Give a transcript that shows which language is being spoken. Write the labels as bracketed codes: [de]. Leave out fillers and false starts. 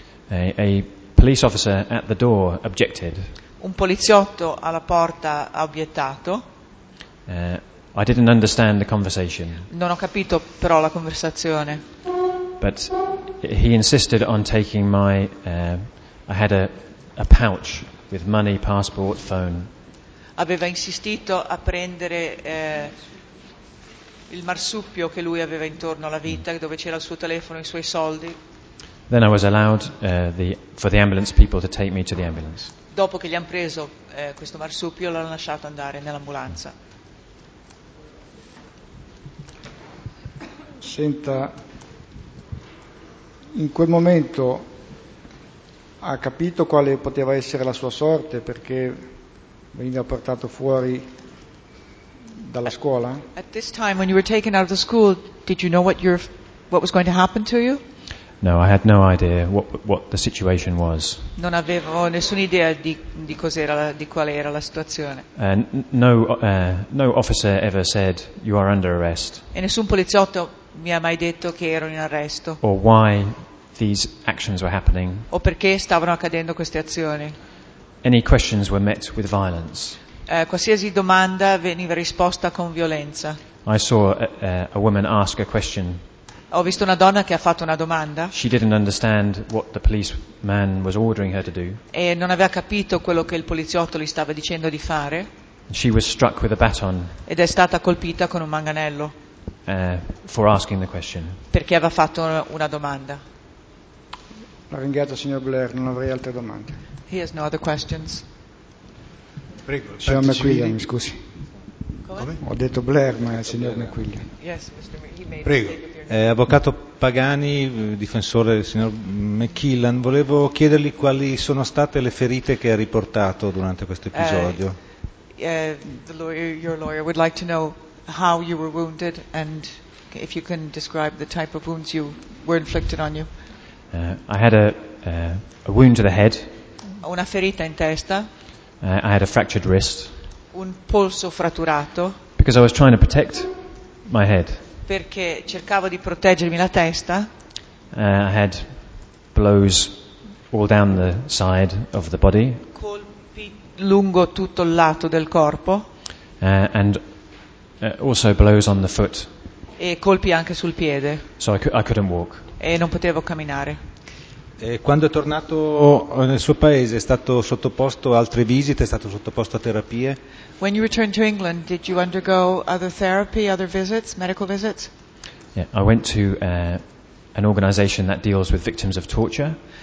[en] A police officer at the door objected. [it] Un poliziotto alla porta ha obiettato. [en] I didn't understand the conversation. [it] Non ho capito però la conversazione. [en] But he insisted on taking my I had a pouch with money, passport, phone. [it] Aveva insistito a prendere il marsupio che lui aveva intorno alla vita, dove c'era il suo telefono e i suoi soldi. [en] Then I was allowed for the ambulance people to take me to the ambulance. [it] Dopo che gli hanno preso questo marsupio, l'hanno lasciato andare nell'ambulanza. Senta, in quel momento ha capito quale poteva essere la sua sorte perché veniva portato fuori dalla scuola? [en] At this time when you were taken out of the school, did you know what was going to happen to you? No, I had no idea what the situation was. [it] Non avevo nessuna idea di cos'era di qual era la situazione. [en] No officer ever said you are under arrest. [it] E nessun poliziotto mi ha mai detto che ero in arresto. [en] Or why these actions were happening. [it] O perché stavano accadendo queste azioni. [en] Any questions were met with violence. [it] Qualsiasi domanda veniva risposta con violenza. [en] I saw a woman ask a question. [it] Ho visto una donna che ha fatto una domanda. [en] She didn't understand what the policeman was ordering her to do. [it] E non aveva capito quello che il poliziotto gli stava dicendo di fare. [en] She was struck with a baton. [it] Ed è stata colpita con un manganello. [en] For asking the question. [it] Perché aveva fatto una domanda. La ringrazio, signor Blair, non avrei altre domande. [en] He has no other questions. [it] Prego, mi scusi. Ho detto Blair, ma è il signor McQuillan. Prego. Avvocato Pagani, difensore del signor McQuillan, volevo chiedergli quali sono state le ferite che ha riportato durante questo episodio. [en] Your lawyer would like to know how you were wounded and if you can describe the type of wounds you were inflicted on you. I had a wound to the head. [it] Una ferita in testa. [en] I had a fractured wrist. [it] Un polso fratturato. [en] Because I was trying to protect my head. [it] Perché cercavo di proteggermi la testa. [en] I had blows all down the side of the body. [it] Colpi lungo tutto il lato del corpo. [en] And also blows on the foot. [it] E colpi anche sul piede. [en] So I couldn't walk. [it] E non potevo camminare. Quando è tornato nel suo paese è stato sottoposto a altre visite, è stato sottoposto a terapie? [en] When you returned to England, did you undergo other therapy, other visits, medical visits? Yeah, I went to an organization that deals with victims of torture.